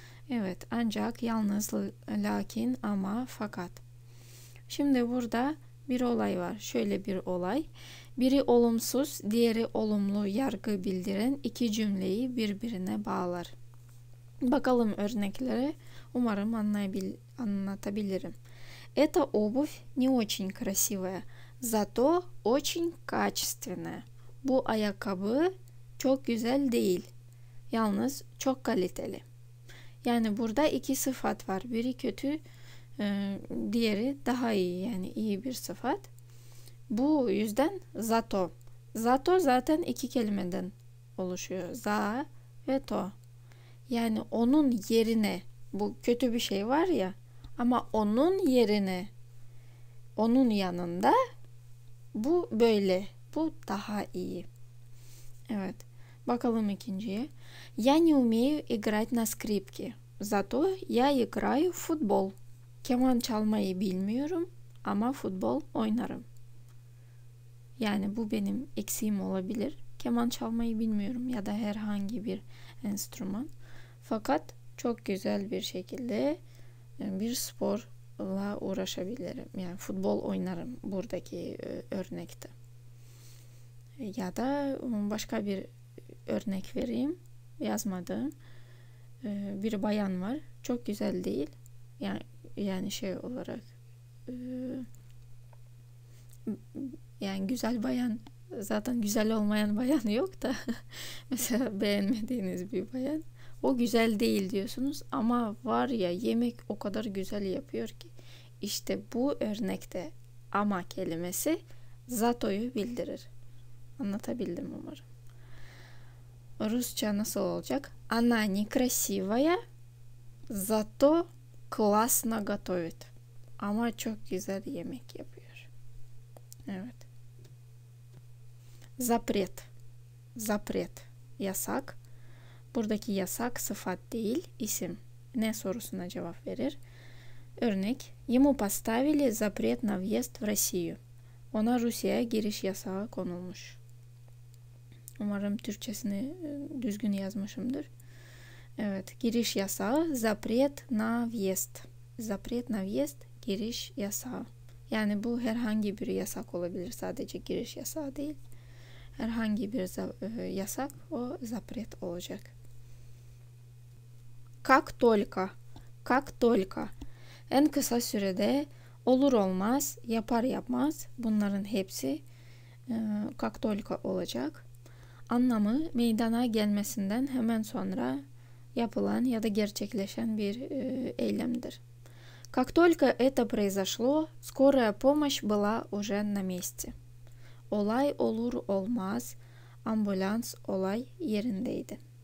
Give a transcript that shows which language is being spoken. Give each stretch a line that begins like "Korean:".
Turkish: Evet, ancak, yalnız, lakin, ama, fakat. Şimdi burada bir olay var. Şöyle bir olay. Biri olumsuz, diğeri olumlu yargı bildiren iki cümleyi birbirine bağlar. Bakalım örnekleri. Umarım anlatabilirim.
Russian: Эта обувь не очень красивая, зато очень качественная.
Turkish: Bu ayakkabı çok güzel değil. Yalnız çok kaliteli. Yani burada iki sıfat var. Biri kötü, diğeri daha iyi, yani iyi bir sıfat. Bu yüzden zato. Zato zaten iki kelimeden oluşuyor. Za ve to. Yani onun yerine, bu kötü bir şey var ya, ama onun yerine, onun yanında bu böyle, bu daha iyi. Evet, bakalım ikinciye.
Russian: Я не умею играть на скрипке, зато я играю в футбол.
Turkish: Keman çalmayı bilmiyorum ama futbol oynarım. Yani bu benim eksiğim olabilir. Keman çalmayı bilmiyorum ya da herhangi bir enstrüman. Fakat çok güzel bir şekilde bir sporla uğraşabilirim. Yani futbol oynarım buradaki örnekte. Ya da başka bir örnek vereyim. Yazmadığım bir bayan var. Çok güzel değil. Yani şey olarak yani güzel bayan, zaten güzel olmayan bayan yok da mesela beğenmediğiniz bir bayan, o güzel değil diyorsunuz ama var ya, yemek o kadar güzel yapıyor ki. İşte bu örnekte ama kelimesi zato'yu bildirir. Anlatabildim umarım. Rusça nasıl olacak?
Russian: Она некрасивая, зато классно готовит.
Turkish: Ama çok güzel yemek yapıyor. Evet.
Russian: Запрет. Запрет.
Turkish: Yasak. Buradaki yasak sıfat değil, isim. Ne sorusuna cevap verir? Örnek:
Russian: Ему поставили запрет на въезд в Россию.
Turkish: Ona Rusya'ya giriş yasağı konulmuş. Umarım Türkçesini düzgün yazmışımdır. Evet, giriş yasağı,
Russian: запрет на въезд. Запрет на въезд,
Turkish: giriş yasağı. Yani bu herhangi bir yasak olabilir, sadece giriş yasağı değil. Herhangi bir yasak, o запрет olacak.
Russian: Как только, как только.
Turkish: En kısa sürede, olur olmaz, yapar yapmaz, bunların hepsi
Russian: как только
Turkish: olacak. Anlamı, meydana gelmesinden hemen sonra yapılan ya da gerçekleşen bir eylemdir.
Russian: Как только это произошло, скорая помощь была уже на месте.
Turkish: Olay olur olmaz, ambulans olay yerindeydi.